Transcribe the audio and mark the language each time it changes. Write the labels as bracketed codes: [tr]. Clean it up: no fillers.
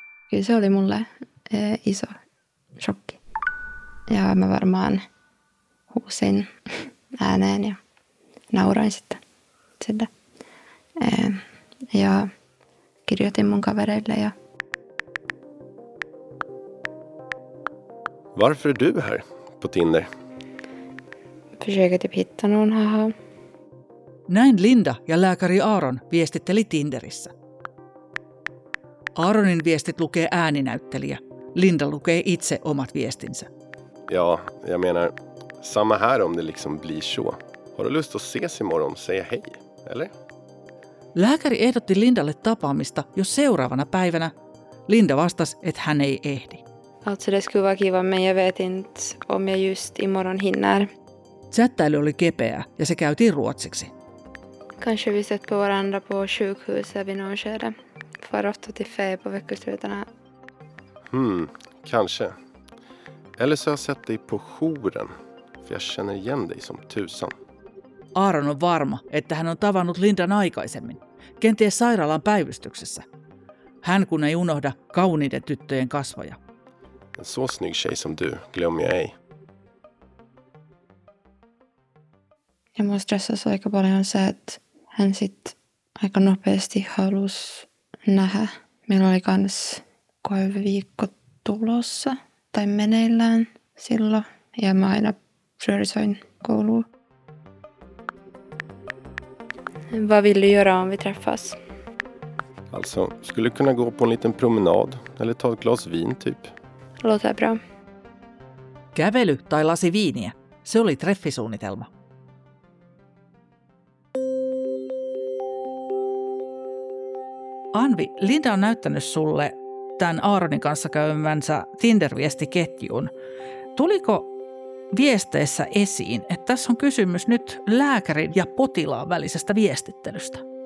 [fi] Kyllä se oli mulle iso shokki. Ja mä varmaan huusin ääneen ja nauroin sitten sitä. Ja kirjoitin mun kavereille. Ja... [sv] Varför är du här på Tinder? Försöker typ hitta någon, haha. [fi] Näin Linda ja lääkäri Aaron viestitteli Tinderissä. Aaronin viestit lukee ääninäyttelijä. Linda lukee itse omat viestinsä. [sv] Ja, jag menar, samma här om det liksom blir så. Har du lust att ses imorgon, säga hej, eller? [fi] Lääkäri ehdotti Lindalle tapaamista jo seuraavana päivänä. Linda vastasi, että hän ei ehdi. [sv] Alltså det skulle vara kiva, men jag vet inte om jag just imorgon hinner. [fi] Chattailu oli kepeä ja se käytiin ruotsiksi. [sv] Kanske vi sett på varandra på sjukhuset vid någon skede. För ofta till fe på veckoslutarna. Kanske. Eller så har jag sett dig på jouren. För jag känner igen dig som tusan. [fi] Aaron on varma, että hän on tavannut Lindan aikaisemmin. Kenties sairaalan päivystyksessä. Hän kun ei unohda kauniiden tyttöjen kasvoja. [sv] En så snygg tjej som du glömmer jag ej. [fi] Ja mua stressasi aika paljon se, että hän sitten aika nopeasti halusi nähdä. Meillä oli kans koeviikko tulossa tai meneillään silloin. Ja mä aina priorisoin koulua. [sv] Vad vill du göra om vi träffas? Alltså, skulle kunna gå på en liten promenad eller ta ett glas vin typ? Låter bra. [fi] Kävely tai lasi viiniä. Se oli treffisuunnitelma. Anvi, Linda on näyttänyt sulle tämän Aaronin kanssa käymänsä Tinder-viestiketjun. Tuliko viesteissä esiin, että tässä on kysymys nyt lääkärin ja potilaan välisestä viestittelystä?